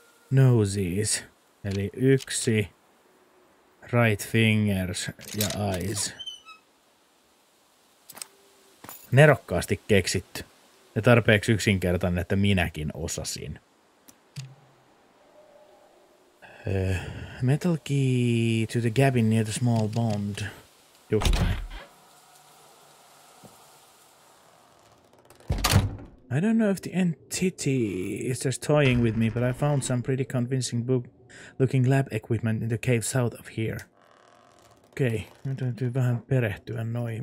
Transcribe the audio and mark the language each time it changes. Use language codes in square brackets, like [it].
[en] Noses, [fi] eli yksi, [en] right fingers ja eyes. [fi] Nerokkaasti keksitty ja tarpeeksi yksinkertainen, että minäkin osasin. [en] Metal key to the cabin near the small bond. Just. I don't know if the entity is just toying with me, but I found some pretty convincing book-looking lab equipment in the cave south of here. [fi] Okay, nyt täytyy vähän perehtyä noihin.